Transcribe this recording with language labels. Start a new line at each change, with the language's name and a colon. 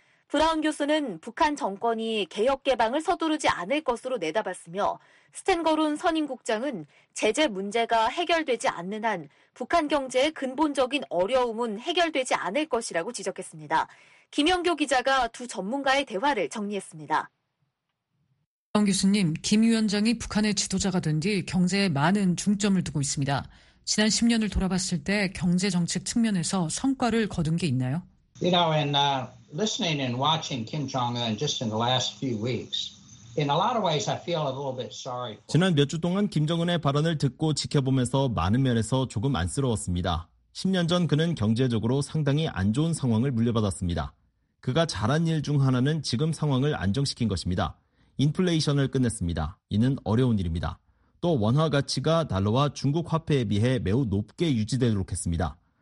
Korean: 브라운 교수는 북한 정권이 개혁 개방을 서두르지 않을 것으로 내다봤으며 스탠거론 선임국장은 제재 문제가 해결되지 않는 한 북한 경제의 근본적인 어려움은 해결되지 않을 것이라고 지적했습니다. 김영교 기자가 두 전문가의 대화를 정리했습니다. 정 교수님, 김 위원장이 북한의 지도자가 된 뒤 경제에 많은 중점을 두고 있습니다. 지난 10년을 돌아봤을 때 경제 정책 측면에서 성과를 거둔 게 있나요?
English: You know, in listening and watching Kim Jong-un just in the last few weeks, in a lot of ways I feel a little bit sorry.
Korean: 지난 몇 주 동안 김정은의 발언을 듣고 지켜보면서 많은 면에서 조금 안쓰러웠습니다. 10년 전 그는 경제적으로 상당히 안 좋은 상황을 물려받았습니다. 그가 잘한 일 중 하나는 지금 상황을 안정시킨 것입니다. 인플레이션을 끝냈습니다. 이는 어려운 일입니다. 또 원화 가치가 달러와 중국 화폐에 비해 매우 높게 유지되도록 했습니다.